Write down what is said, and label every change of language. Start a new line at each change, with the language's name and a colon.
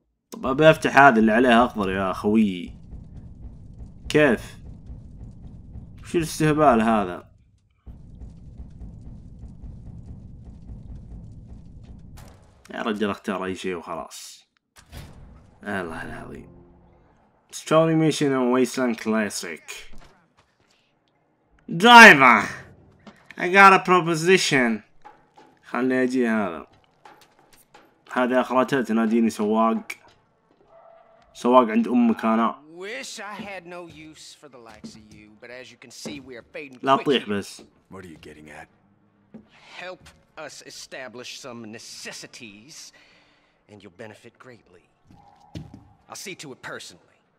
Arabic: طب ابي افتح هذا اللي عليها اخضر يا اخوي. كيف وش الاستهبال هذا؟ يا رجل اختار اي شيء وخلاص. الله العظيم.
English: Story mission in Wasteland classic. Driver I got a proposition.
Arabic: خلني اجي هذا اخرته تناديني سواق. سواق عند امك انا.
English: Wish I had no use for the likes of you, but as you can see we are fading.
Arabic: لا طيح بس.
English: What are you getting at? Help us establish some necessities and you'll benefit greatly. I'll see to it personally.